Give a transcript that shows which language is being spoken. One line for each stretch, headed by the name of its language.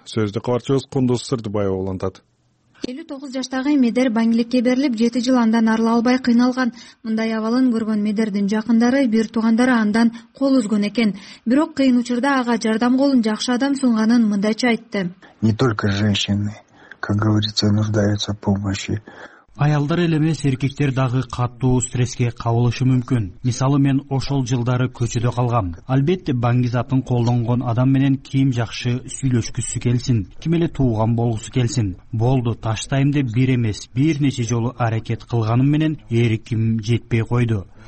Kyrgyz: Сөздү кабарчыбыз Кундуз Сырдыбаева улантат. 59 жаштагы Медер баңгиликке берилип 7 жыл андан арыла албай кыйналган. Мындай абалын көргөн Медердин жакындары, бир туугандары андан кол үзгөн экен. Бирок кыйын учурда ага жардам колун жакшы адам сунганын мындайча айтты.
Russian: Не только женщины, как говорится, нуждаются в помощи.
Kyrgyz: Аялдар эле эмес, эркектер дагы катуу стресске кабылышы мүмкүн. Мисалы, мен ошол жылдары көчөдө калгам. Албетте, баңгизатын колдонгон адам менен ким жакшы сүйлөшкүсү келсин, ким эле тууган болгусу келсин. Болду, таштайм деп бир эмес, бир нече жолу аракет кылганым менен эриким жетпей койду.